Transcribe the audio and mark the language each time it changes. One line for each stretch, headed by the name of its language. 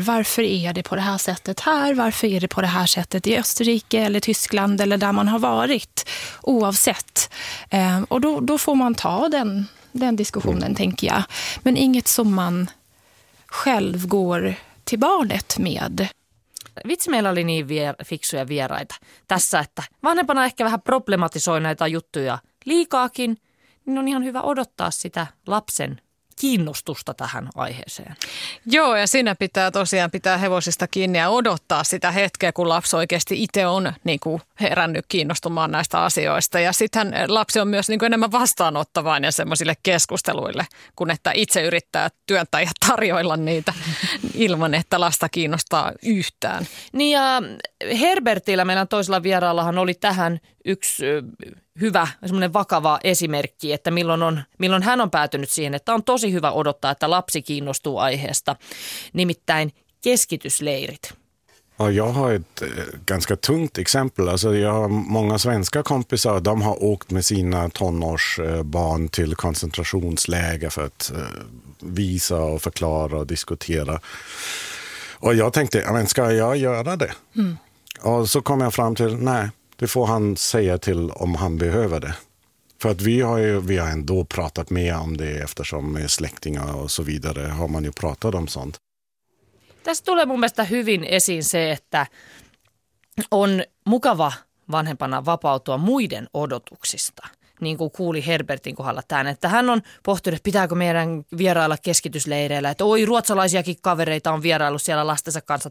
Swedish: Varför är det på det här sättet här? Varför är det på det här sättet i Österrike eller Tyskland eller där man har varit? Oavsett. Och då får man ta den diskussionen, tänker jag. Men inget som man själv går till barnet med.
Finnish: Vitsi, meillä oli niin fiksuja vieraita tässä, että vanhempana ehkä vähän problematisoi näitä juttuja liikaakin, niin on ihan hyvä odottaa sitä lapsen kiinnostusta tähän aiheeseen. Joo, ja siinä pitää tosiaan pitää hevosista kiinni ja odottaa sitä hetkeä, kun lapsi oikeasti itse on niin kuin herännyt kiinnostumaan näistä asioista. Ja sittenhän lapsi on myös niin kuin enemmän vastaanottavainen ja semmoisille keskusteluille, kun että itse yrittää työntää ja tarjoilla niitä ilman, että lasta kiinnostaa yhtään. Niin ja Herbertillä, meidän toisella vieraallahan, oli tähän yksi hyvä, semmoinen vakava esimerkki, että milloin hän on päätynyt siihen, että on tosi hyvä odottaa, että lapsi kiinnostuu aiheesta, nimittäin keskitysleirit.
Swedish: Ja, jag har ett ganska tungt exempel. Alltså, jag har många svenska kompisar, de har åkt med sina tonårsbarn till koncentrationsläger för att visa och förklara och diskutera. Och jag tänkte, ja, men ska jag göra det? Mm. Och så kom jag fram till, nej. Det får han säga till om han behöver det. För att vi har ändå pratat med om det eftersom släktingar och så vidare har man ju pratat om sånt.
Finnish: Tässä tulee mun mielestä hyvin esiin se, että on mukava vanhempana vapautua muiden odotuksista. Niin kuin kuuli Herbertin kohdalla tämän, että hän on pohtinut, pitääkö meidän vierailla keskitysleireillä. Että oi, ruotsalaisiakin kavereita on vierailu siellä lastensa kanssa.